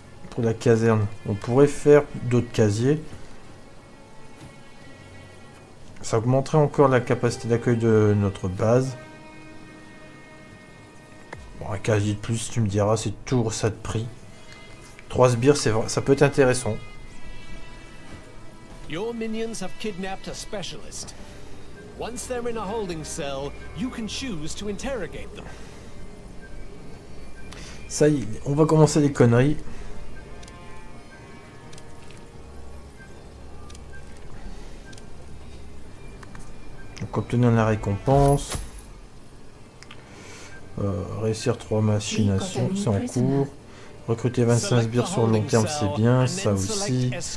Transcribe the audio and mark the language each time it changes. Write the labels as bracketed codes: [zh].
[fr] Pour la caserne, on pourrait faire d'autres casiers. Ça augmenterait encore la capacité d'accueil de notre base. Bon, un casier de plus, tu me diras, c'est toujours ça de prix. 3 sbires, c'est vrai, ça peut être intéressant. [en] Your minions have kidnapped a specialist. Once they're in a holding cell, you can choose to interrogate them. [fr] Ça y est, on va commencer les conneries. Donc obtenir la récompense. Réussir 3 machinations, c'est en cours. Recruter 25 sbires sur long terme, c'est bien, ça aussi.